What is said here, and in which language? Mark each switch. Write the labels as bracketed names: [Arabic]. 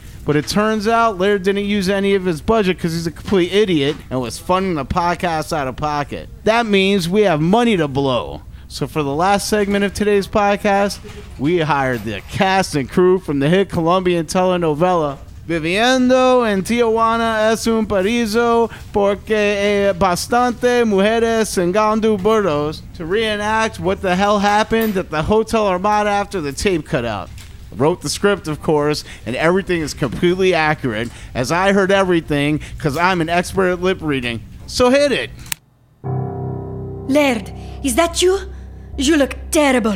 [English] But it turns out Laird didn't use any of his budget because he's a complete idiot and was funding the podcast out of pocket. That means we have money to blow. So for the last segment of today's podcast, we hired the cast and crew from the hit Colombian telenovela, [Spanish] viviendo en Tijuana es un paraíso porque hay bastante mujeres singando burros. [English] To reenact what the hell happened at the Hotel Armada after the tape cut out. Wrote the script, of course, and everything is completely accurate, as I heard everything, because I'm an expert at lip reading. So hit it! Laird, is that you? You look terrible.